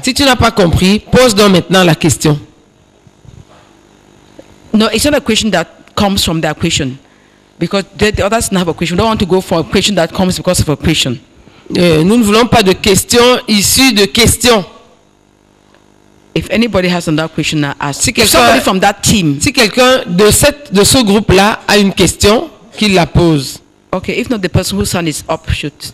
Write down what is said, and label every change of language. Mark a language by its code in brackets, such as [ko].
[fr] Si tu n'as pas compris, pose donc maintenant la question. [en] No, it's not a question that comes from that question. Because the others don't have a question. We don't want to go for a question that comes because of a question. [fr] Nous ne voulons pas de questions issues de questions. [en] If anybody has another question, now ask. Si somebody from that team. [fr] Si quelqu'un de ce groupe-là a une question, qu'il la pose. [en] Okay, if not, the person whose hand is up should.